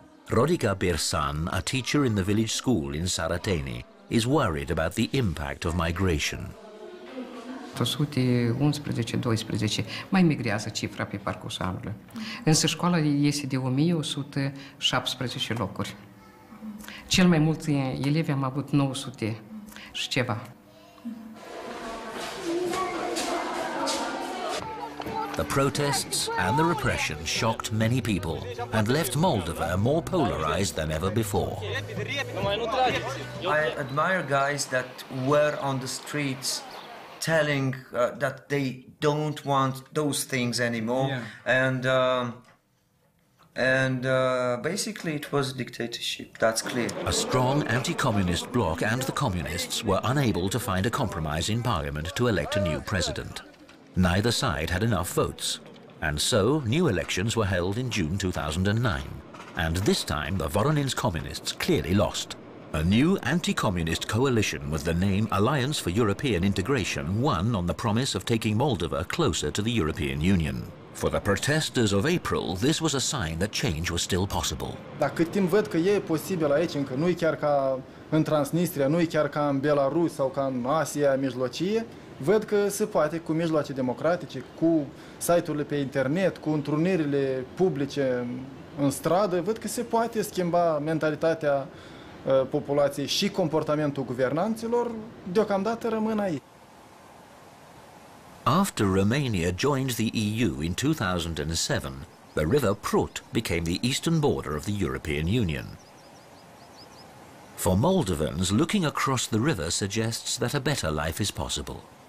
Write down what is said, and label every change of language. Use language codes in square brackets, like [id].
[en] Rodica Birsan, a teacher in the village school in Sărăteni, is worried about the impact of migration. [ro] 111-12, mai migrează cifra pe parcursul anului. Însă școala este de 1117 locuri. Cel mai mulți elevi am avut 900 și ceva. [en] The protests and the repression shocked many people and left Moldova more polarized than ever before. I admire guys that were on the streets telling that they don't want those things anymore. Yeah. And basically it was a dictatorship, that's clear. A strong anti-communist bloc and the communists were unable to find a compromise in parliament to elect a new president. Neither side had enough votes, and so new elections were held in June 2009. And this time the Voronin's communists clearly lost. A new anti-communist coalition with the name Alliance for European Integration won on the promise of taking Moldova closer to the European Union. For the protesters of April, this was a sign that change was still possible. [ro] Dacă timp văd că e posibil aici, încă nu e chiar ca în Transnistria, nu e chiar ca în Belarus sau ca în Asia Mijlocie, văd că se poate cu mijloace democratice, cu site-urile pe internet, cu întrunirile publice în stradă, văd că se poate schimba mentalitatea populației și comportamentul guvernanților, deocamdată rămân aici. [en] After Romania joined the EU in 2007, the river Prut became the eastern border of the European Union. For Moldovans, looking across the river suggests that a better life is possible.